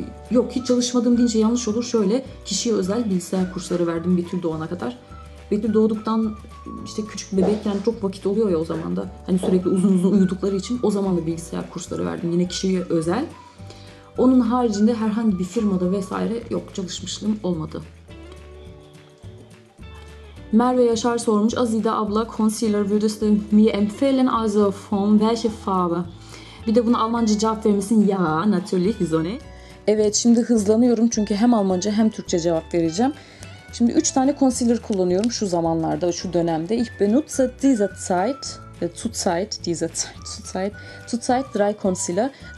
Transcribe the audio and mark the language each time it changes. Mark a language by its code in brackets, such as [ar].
[tr] Yok hiç çalışmadım deyince yanlış olur. Şöyle kişiye özel bilgisayar kursları verdim Betül doğana kadar. Betül doğduktan işte küçük bebekken çok vakit oluyor ya o zaman da. Hani sürekli uzun uzun uyudukları için o zaman da bilgisayar kursları verdim. Yine kişiye özel. Onun haricinde herhangi bir firmada vesaire yok çalışmışlığım olmadı. Merve Yaşar sormuş. [de] Azide [tr] abla [de] concealer würdest du mir empfehlen also von welcher Farbe? [tr] Bir de bunu Almanca cevap vermesin. Ya [de] natürlich sonne. [tr] Evet şimdi hızlanıyorum çünkü hem Almanca hem Türkçe cevap vereceğim. Şimdi 3 tane concealer kullanıyorum şu zamanlarda, şu dönemde. [de] Ich benutze diese Zeit, zurzeit drei Concealer.